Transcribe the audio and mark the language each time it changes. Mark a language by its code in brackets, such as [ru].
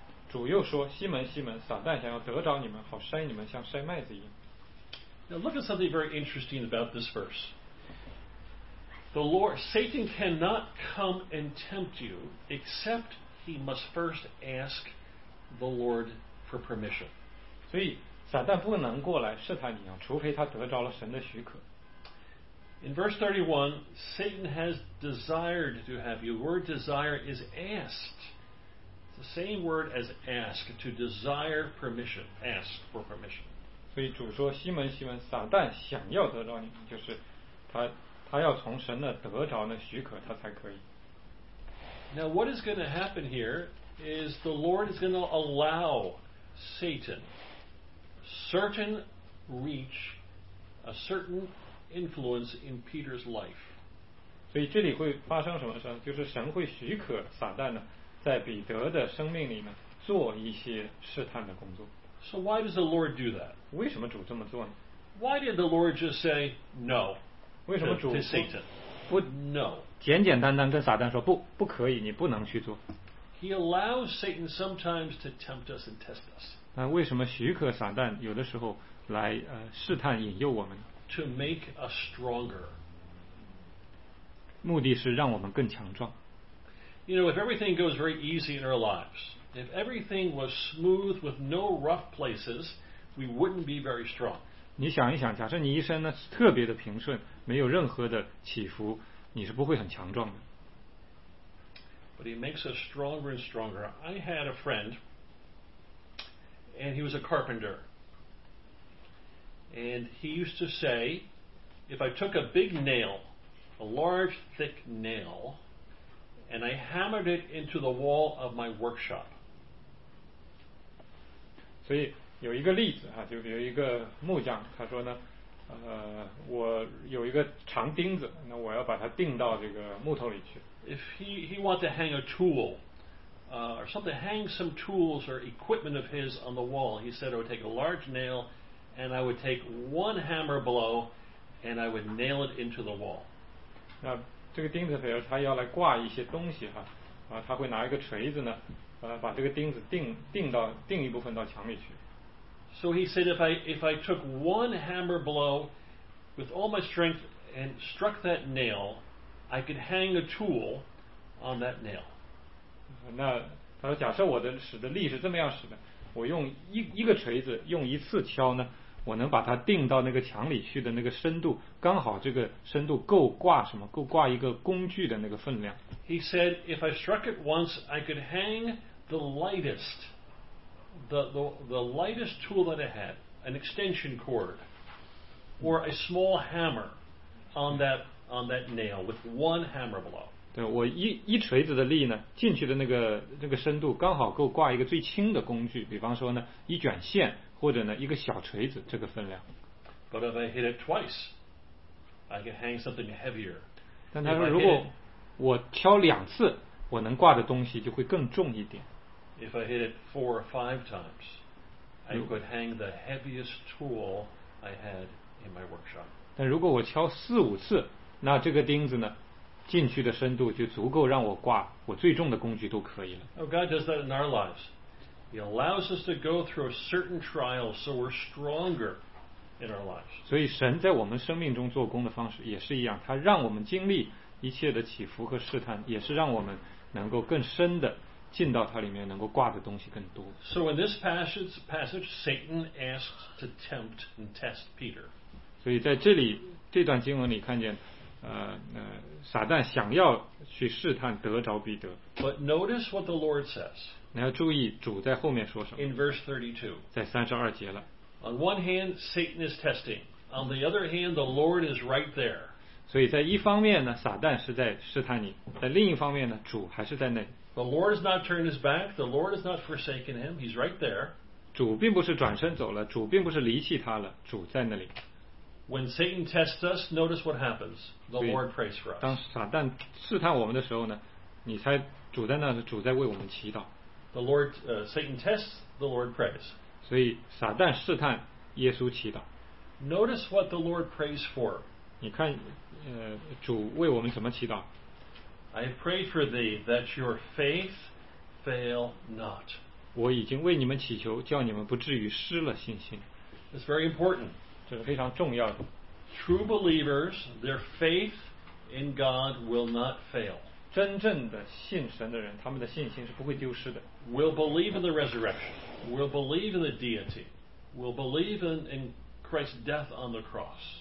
[zh] 主又说西门西门撒旦想要得着你们好筛你们像筛麦子一样 [en] Now look at something very interesting about this verse The Lord Satan cannot come and tempt you except he must first ask the Lord for permission [zh] 所以撒旦不能过来试探你啊，除非他得着了神的许可 [en] In verse 31 Satan has desired to have you The word desire is askedThe same word as ask, to desire permission, ask for permission. [zh] 所以主说西门西门撒旦想要得着你就是 他要从神的得着的许可他才可以。 [en] Now what is going to happen here is the Lord is going to allow Satan certain reach, a certain influence in Peter's life. [zh] 所以这里会发生什么事就是神会许可撒旦呢在彼得的生命里呢做一些试探的工作 [en] So why does the Lord do that? [zh] 为什么主这么做呢 [en] Why did the Lord just say no [zh] 为什么主 [en] to Satan? [zh] 不 [en] no [zh] 简简单单跟撒旦说不不可以你不能去做 [en] He allows Satan sometimes to tempt us and test us [zh] 那为什么许可撒旦有的时候来试探引诱我们 [en] To make us stronger [zh] 目的是让我们更强壮 [en] You know, if everything goes very easy in our lives, if everything was smooth with no rough places, we wouldn't be very strong. [zh] 你想一想，假设你一生呢特别的平顺，没有任何的起伏，你是不会很强壮的。 [en] But he makes us stronger and stronger. I had a friend, and he was a carpenter. And he used to say, if I took a big nail, a large, thick nail,And I hammered it into the wall of my workshop. [zh] 所以有一个例子啊，就有一个木匠，他说呢，我有一个长钉子，那我要把它钉到这个木头里去。 [en] If he wants to hang a tool, or something, hang some tools or equipment of his on the wall, he said it would take a large nail, and I would take one hammer blow, and I would nail it into the wall. [zh] 那这个钉子比如他要来挂一些东西哈、啊、他会拿一个锤子呢把这个钉子钉一部分到墙里去。 [en] So he said, if I took one hammer blow with all my strength and struck that nail, I could hang a tool on that nail. [zh] 那他说假设我的使的力是这么样使的，我用一个锤子用一次敲呢，我能把它钉到那个墙里去的那个深度，刚好这个深度够挂什么？够挂一个工具的那个分量。 [en] He said, if I struck it once, I could hang the lightest, the lightest tool that I had, an extension cord, or a small hammer, on that nail with one hammer blow. [zh] 对，我一锤子的力呢，进去的那个深度刚好够挂一个最轻的工具，比方说呢，一卷线。或者呢，一个小锤子这个分量。 [en] But if I hit it twice, I can hang something heavier. [zh] 但他说，如果我敲两次，我能挂的东西就会更重一点。 [en] If I hit it four or five times, I could hang the heaviest tool I had in my workshop. [zh] 但如果我敲四五次，那这个钉子呢，进去的深度就足够让我挂我最重的工具都可以了。 [en] Oh, God does that in our lives. He allows us to go through a certain trial so we're stronger in our lives. [zh] 所以神在我们生命中做工的方式也是一样，他让我们经历一切的起伏和试探，也是让我们能够更深的进到他里面，能够挂的东西更多。 [en] So in this passage, Satan asks to tempt and test Peter. [zh] 所以在这里这段经文里看见撒旦想要去试探得着彼得。 [en] But notice what the Lord says. [zh] 你要注意主在后面说什么。 [en] In verse 32, [zh] 在三十二节了。 [en] On one hand, Satan is testing. On the other hand, the Lord is right there. [zh] 所以在一方面呢，撒旦是在试探你；在另一方面呢，主还是在那。 [en] The Lord has not turned his back. The Lord has not forsaken him. He's right there. [zh] 主并不是转身走了，主并不是离弃他了，主在那里。 [en] When Satan tests us, notice what happens. The Lord prays for us. [zh] 当撒旦试探我们的时候呢，你猜主在那，主在为我们祈祷。 [en] The Lord, Satan tests, the Lord prays. [zh] 所以撒旦试探耶稣祈祷。 [en] Notice what the Lord prays for. [zh] 你看，主为我们怎么祈祷。 [en] I pray for thee that your faith fail not. [zh] 我已经为你们祈求，叫你们不至于失了信心。 [en] It's very important. [zh] 这是非常重要的。 [en] True believers, their faith in God will not fail. [zh] 真正的信神的人，他们的信心是不会丢失的。 [en] We'll believe in the resurrection. We'll believe in the deity. We'll believe in Christ's death on the cross.